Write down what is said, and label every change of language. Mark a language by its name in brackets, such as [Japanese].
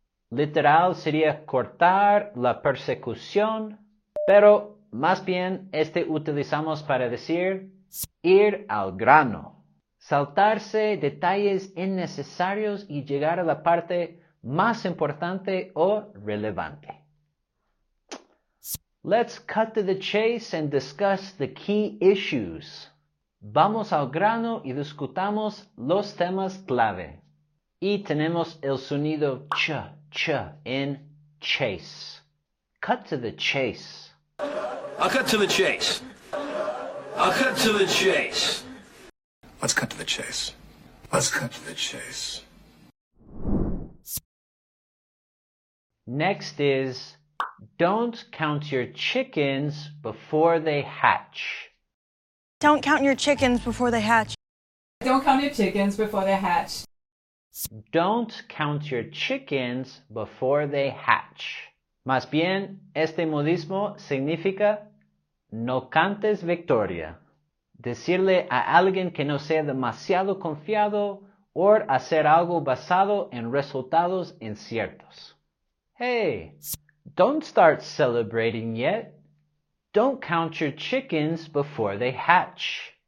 [Spanish] Literal sería cortar la persecución, pero más bien este utilizamos para decir ir al grano. Saltarse detalles innecesarios y llegar a la parte más importante o relevante. [English] Let's cut to the chase and discuss the key issues. [Spanish] Vamos al grano y discutamos los temas clave. Y tenemos el sonido ch, ch, en chase. [English] Cut to the chase. I'll cut to the chase. I'll cut to the chase. Let's cut to the chase. Let's cut to the chase. Next is, don't count your chickens before they hatch. Don't count your chickens before they hatch. Don't count your chickens before they hatch. Don't count your chickens before they hatch. [Spanish] Más bien, este modismo significa no cantes victoria. Decirle a alguien que no sea demasiado confiado o hacer algo basado en resultados inciertos. [English] Hey, don't start celebrating yet. Don't count your chickens before they hatch.